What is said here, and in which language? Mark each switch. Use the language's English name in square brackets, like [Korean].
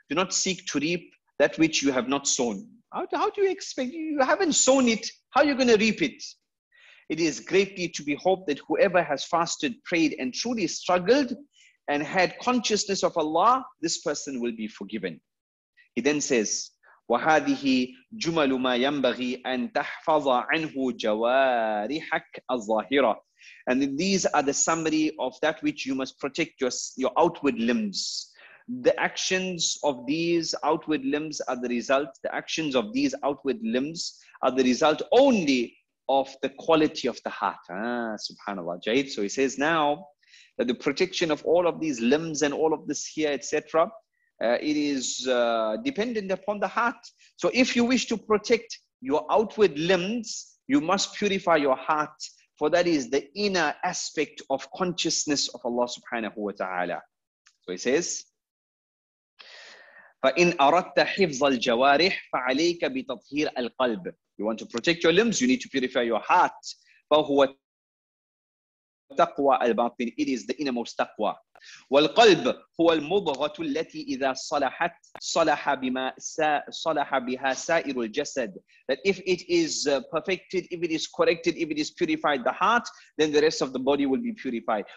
[English] do not seek to reap that which you have not sown. How do you expect? You haven't sown it. How are you going to reap it? It is greatly to be hoped that whoever has fasted, prayed, and truly struggled and had consciousness of Allah, this person will be forgiven. He then says, [Arabic] وَهَذِهِ جُمَلُ مَا يَنْبَغِي أَن تَحْفَظَ عَنْهُ جَوَارِحَكَ الظَّاهِرَةِ. [English] And these are the summary of that which you must protect your outward limbs. The actions of these outward limbs are the result. The actions of these outward limbs are the result only of the quality of the heart. SubhanAllah. Jaid. So he says now that the protection of all of these limbs and all of this here, etc., it is dependent upon the heart. So if you wish to protect your outward limbs, you must purify your heart, for that is the inner aspect of consciousness of Allah subhanahu wa ta'ala. So he says, [Arabic] فَإِنْ أَرَدْتَ حِفْظَ الْجَوَارِحِ فَعَلَيْكَ بِتَطْهِيرَ الْقَلْبِ. [English] You want to protect your limbs, you need to purify your heart. [Arabic] فَهُوَ تَقْوَى الْبَاطِنِ. [English] It is the innermost taqwa. [Arabic] وَالْقَلْبُ هُوَ الْمُضْغَةُ الَّتِي إِذَا صَلَحَتْ صَلَحَ بِهَا سَائِرُ الْجَسَدِ. [English] That if it is perfected, if it is corrected, if it is purified, the heart, then the rest of the body will be purified.